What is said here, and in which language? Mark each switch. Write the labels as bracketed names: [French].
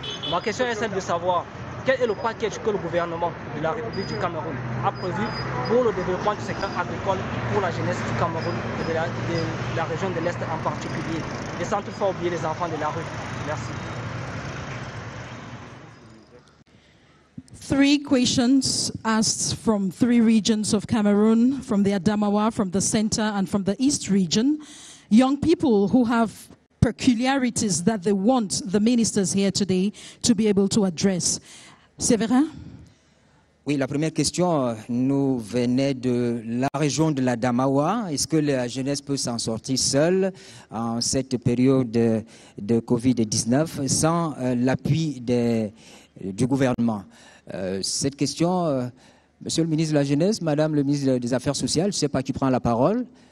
[French] Ma question est celle de savoir, quel est le package que le gouvernement de la République du Cameroun a prévu pour le développement du secteur agricole pour la jeunesse du Cameroun et de la région de l'Est en particulier, et sans toutefois oublier les enfants de la rue. Merci. [English] Three questions asked from three regions of Cameroon, from the Adamawa, from the center, and from the East region. Young people who have peculiarities that they want the ministers here today to be able to address. [French] Séverin? Oui, la première question nous venait de la région de l'Adamawa. Est-ce que la jeunesse peut s'en sortir seule en cette période de COVID-19 sans l'appui du gouvernement? Cette question, monsieur le ministre de la Jeunesse, madame le ministre des Affaires sociales, je ne sais pas qui prend la parole.